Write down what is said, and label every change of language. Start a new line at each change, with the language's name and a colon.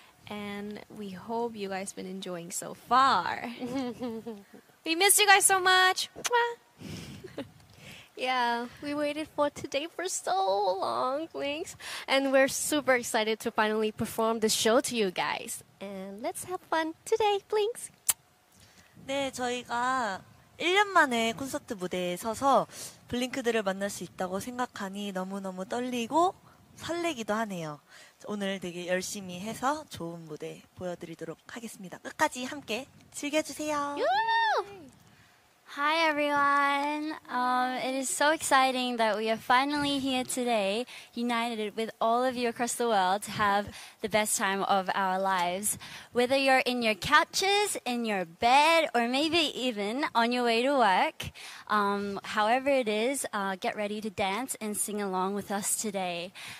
English: And we hope you guys been enjoying so far. We miss you guys so much. Yeah, we waited for today for so long, Blinks. And we're super excited to finally perform the show to you guys. And let's have fun today, Blinks.
Korean: 네, 저희가 1년 만에 콘서트 무대에 서서 블링크들을 만날 수 있다고 생각하니 너무너무 떨리고 설레기도 하네요. 오늘 되게 열심히 해서 좋은 무대 보여드리도록 하겠습니다. 끝까지 함께 즐겨주세요.
English: Hi everyone! It is so exciting that we are finally here today, united with all of you across the world to have the best time of our lives. Whether you're in your couches, in your bed, or maybe even on your way to work, however it is, get ready to dance and sing along with us today.